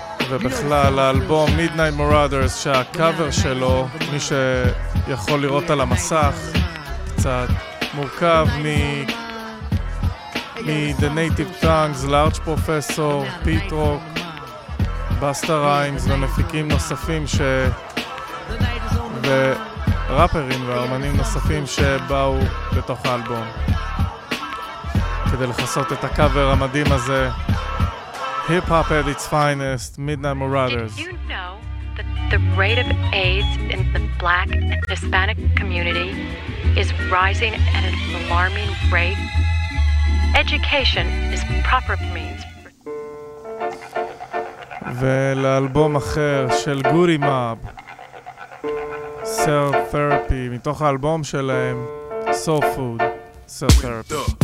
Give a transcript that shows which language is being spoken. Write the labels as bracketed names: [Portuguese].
[Hebrew] ובכלל, האלבום Midnight Marauders, שהקאבר שלו, מי שיכול לראות על המסך, קצת מורכב מ-The Native Tongues, Large Professor, Pete Rock, Busta Rhymes ומפיקים נוספים ש... וראפרים ואמנים נוספים שבאו בתוך האלבום כדי לחסות את הקאבר המדהים הזה. [English] Hip Hop at its finest, Midnight Marauders. Did you know that the rate of AIDS in the Black and Hispanic community is rising at an alarming rate. Education is proper means. [Hebrew] ולאלבום אחר של גורי מאב, סל תרפי, מתוך האלבום שלהם סול פוד, סל תרפי.